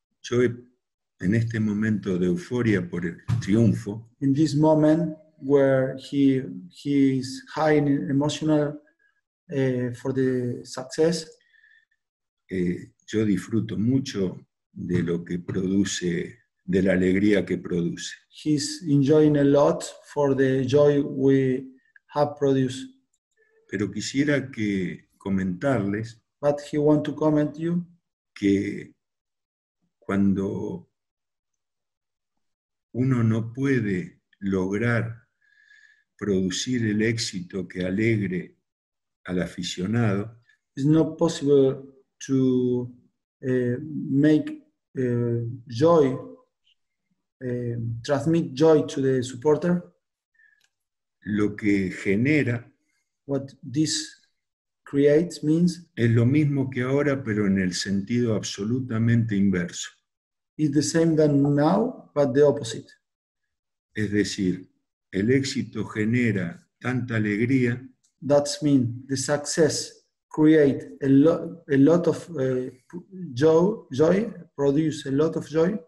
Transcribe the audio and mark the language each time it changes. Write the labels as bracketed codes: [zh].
[es] Yo en este momento de euforia por el triunfo. [en] In this moment where he is high in emotional for the success. [es] Yo disfruto mucho de lo que produce. De la alegría que produce. [en] He's enjoying a lot for the joy we have produced. [es] Pero quisiera que comentarles. [en] But he want to comment you. [es] Que cuando uno no puede lograr producir el éxito que alegre al aficionado. [en] It's not possible to make joy. Transmit joy to the supporter. [es] Lo que genera, [en] what this creates means, [es] es lo mismo que ahora, pero en el sentido absolutamente inverso. [en] It's the same than now, but the opposite. [es] Es decir, el éxito genera tanta alegría. [en] That means the success creates a lot of joy, produce a lot of joy.